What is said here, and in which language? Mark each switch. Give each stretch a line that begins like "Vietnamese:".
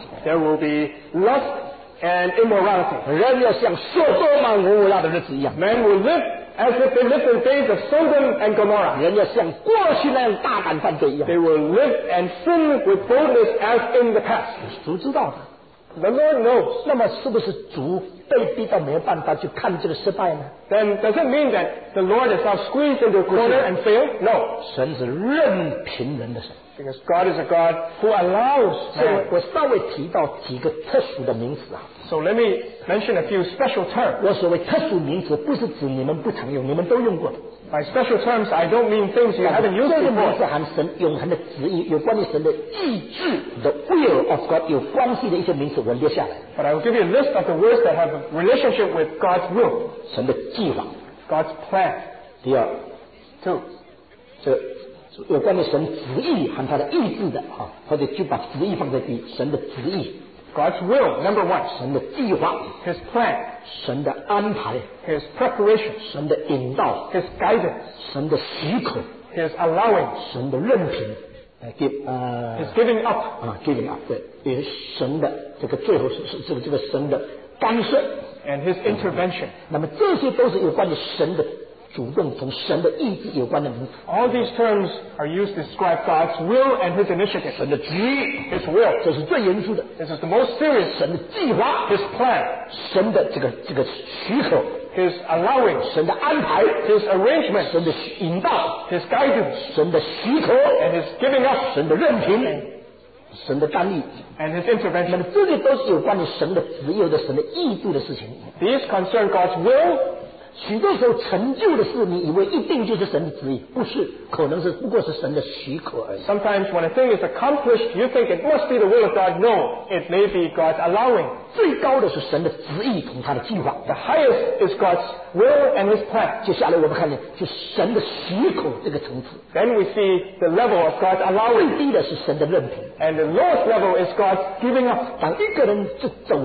English: there will be lust and immorality.
Chinese: 人要像索多玛、蛾摩拉的日子一样,
English: men will live as if they lived in days of Sodom and Gomorrah.
Chinese: 人要像过去那样大胆犯罪一样,
English: they will live and sin with boldness as in the past.
Chinese: 主知道的,
English: the Lord knows.
Chinese: 那么是不是主被逼到没有办法去看这个失败呢?
English: Then does it mean that the Lord is now squeezed into a corner and failed? No.
Chinese: 神是任凭人的神,
English: because God is a God who allows sin.
Chinese: 我稍微提到几个特殊的名词啊,
English: so let me mention a few special terms.
Chinese: 我所谓特殊名词不是指你们不常用,你们都用过, by special terms I don't mean things you haven't used before. 这个名词含神永恒的旨意, 有关于神的意志,
English: the will of God,
Chinese: 有关系的一些名词,
English: but I will give you a list of the words that have a relationship with God's will.
Chinese: 神的计划,
English: God's plan.
Chinese: 第二,
English: 2,
Chinese: 这, 有关于神旨意和他的意志的, 啊, 或者就把旨意放在第一, 神的旨意,
English: God's will, number one.
Chinese: 神的计划,
English: his plan.
Chinese: 神的安排,
English: his preparation.
Chinese: 神的引导,
English: his guidance.
Chinese: 神的许可,
English: his allowing.
Chinese: 神的任凭,
English: his giving up.
Chinese: 啊,
English: giving up,
Chinese: 对, 也是神的这个最后是这个神的干涉,
English: and his intervention.
Chinese: 那么这些都是有关于神的
English: all these terms are used to describe God's will and his initiative.
Chinese: 神的旨意,
English: his will.
Chinese: 这是最严肃的,
English: this is the most serious.
Chinese: 神的计划,
English: his plan.
Chinese: 神的这个许可,
English: his allowing.
Chinese: 神的安排,
English: his arrangement.
Chinese: 神的引导,
English: his guidance.
Chinese: 神的许可,
English: and his giving up.
Chinese: 神的任凭, 神的干预,
English: and his intervention.
Chinese: 那么这些都是有关于神的旨意和神的意志的事情。
English: These concern God's will.
Chinese: 许多时候成就的事你以为一定就是神的旨意,不是,可能是不过是神的许可而已。
English: Sometimes when a thing is accomplished, you think it must be the will of God. No, it may be God's allowing.
Chinese: 最高的是神的旨意和他的计划。
English: The highest is God's will and his plan.
Chinese: 接下来我们看见,就神的许可这个层次。
English: Then we see the level of God's allowing.
Chinese: 最低的是神的任凭。
English: And the lowest level is God's giving up.